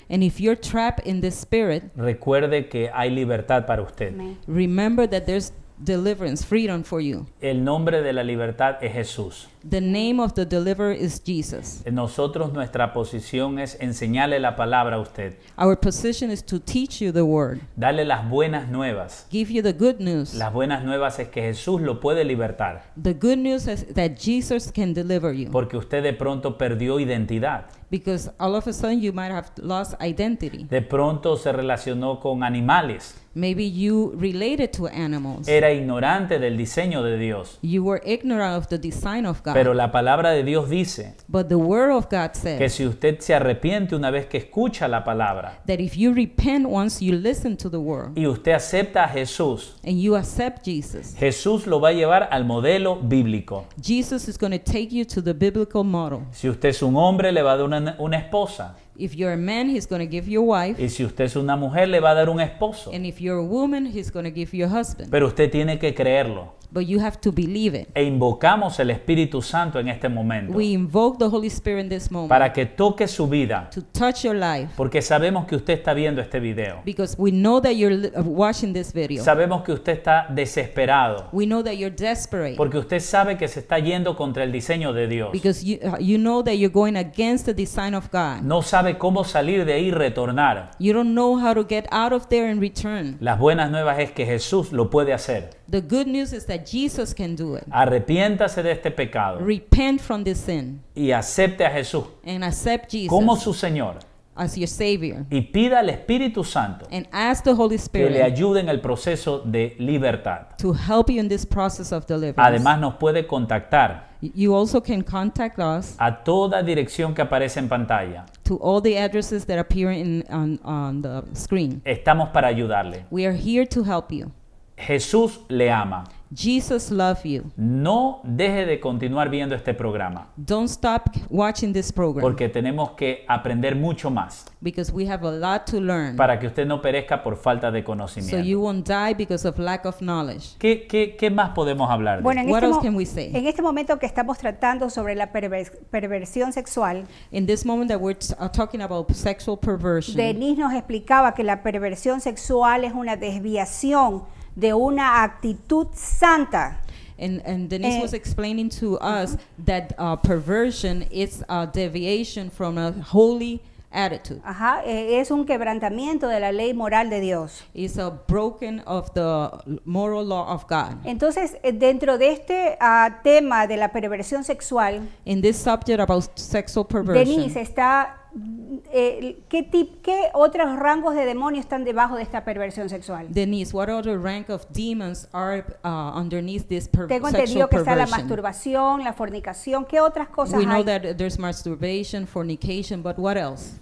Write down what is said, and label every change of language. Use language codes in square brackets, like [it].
[en] and if you're trapped in this spirit, [es] recuerde que hay libertad para usted. [en] Remember that there's deliverance, freedom for you. [es] El nombre de la libertad es Jesús. [en] The name of the deliverer is Jesus. [es] Nosotros, nuestra posición es enseñarle la palabra a usted. [en] Our position is to teach you the word. [es] Dale las buenas nuevas. [en] Give you the good news. [es] Las buenas nuevas es que Jesús lo puede libertar. [en] The good news is that Jesus can deliver you. [es] Porque usted de pronto perdió identidad. [en] Because all of a sudden you might have lost identity. [es] De pronto se relacionó con animales. [en] Maybe you related to animals. [es] Era ignorante del diseño de Dios. [en] You were ignorant of the design of God. [es] Pero la palabra de Dios dice, [en] but the word of God says, [es] que si usted se arrepiente una vez que escucha la palabra, [en] that if you repent once you listen to the word, [es] y usted acepta a Jesús, [en] and you accept Jesus, [es] Jesús lo va a llevar al modelo bíblico. [en] Jesus is going to take you to the biblical model. [es] Si usted es un hombre, le va a dar una esposa. [en] If you're a man, he's going to give you a wife. [es] Y si usted es una mujer, le va a dar un esposo. [en] And if you're a woman, he's going to give you a husband. [es] Pero usted tiene que creerlo. [en] But you have to believe it. [es] E invocamos el Espíritu Santo en este momento. [en] We invoke the Holy Spirit in this moment. [es] Para que toque su vida. [en] To touch your life. [es] Porque sabemos que usted está viendo este video. [en] Because we know that you're watching this video. [es] Sabemos que usted está desesperado. [en] We know that you're desperate. [es] Porque usted sabe que se está yendo contra el diseño de Dios. [en] Because you know that you're going against the design of God. [es] No sabe cómo salir de ahí y retornar. [en] You don't know how to get out of there and return. [es] Las buenas nuevas es que Jesús lo puede hacer. [en] The good news is that Jesus can do it. [es] Arrepiéntase de este pecado. [en] Repent from this sin. [es] Y acepte a Jesús. [en] And accept Jesus. [es] Como su Señor. [en] As your Savior. [es] Y pida al Espíritu Santo. [en] And ask the Holy Spirit. [es] Que le ayude en el proceso de libertad. [en] To help you in this process of deliverance. [es] Además nos puede contactar. [en] You also can contact us. [es] A toda dirección que aparece en pantalla. [en] To all the addresses that appear on the screen. [es] Estamos para ayudarle. [en] We are here to help you. [es] Jesús le ama. [en] Jesus loves you. [es] No deje de continuar viendo este programa. [en] Don't stop watching this program. [es] Porque tenemos que aprender mucho más. [en] Because we have a lot to learn. [es] Para que usted no perezca por falta de conocimiento. [en] So you won't die because of lack of knowledge. [es] ¿Qué más podemos hablar de? Bueno, [en] what else can we say? [es] En este momento que estamos tratando sobre la perversión sexual, [en] in this moment that we're talking about sexual perversion, [es] Denise nos explicaba que la perversión sexual es una desviación de una actitud santa. [en] And Denise was explaining to us uh-huh. that perversion is a deviation from a holy attitude. [es] Ajá, es un quebrantamiento de la ley moral de Dios. [en] It's a broken of the moral law of God. [es] Entonces, dentro de este tema de la perversión sexual, [en] in this subject about sexual perversion, [es] Denise está ¿qué otros rangos de demonios están debajo de esta perversión sexual? [en] Denise, what other rank of demons are underneath this sexual perversion? [es] Tengo entendido que está la masturbación, la fornicación, ¿qué otras cosas hay? [en] We know that there's masturbation, fornication, but what else?